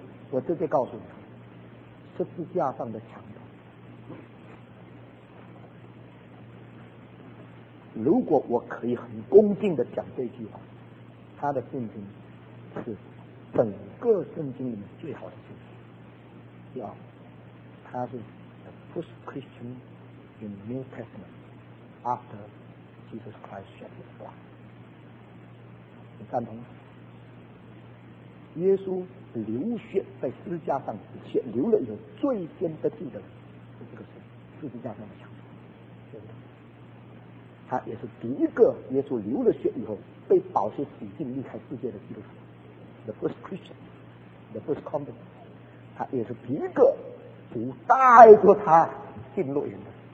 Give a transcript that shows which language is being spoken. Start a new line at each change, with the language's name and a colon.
Chinese: 我直接告诉你，十字架上的强盗。如果我可以很恭敬的讲这句话，他的信心是整个圣经里面最好的信心。第二，他是
English: the first Christian in New Testament。 After Jesus Christ shed his blood，
Chinese: 你赞同吗？耶稣流血在十字架上，血流了有最先得救的人，是这个是十字架上的强盗，对不对？他也是第一个耶稣流了血以后被宝血洗净离开世界的基督徒 ，
English: the first Christian，the first convert，
Chinese: 他也是第一个主带着他进乐园的。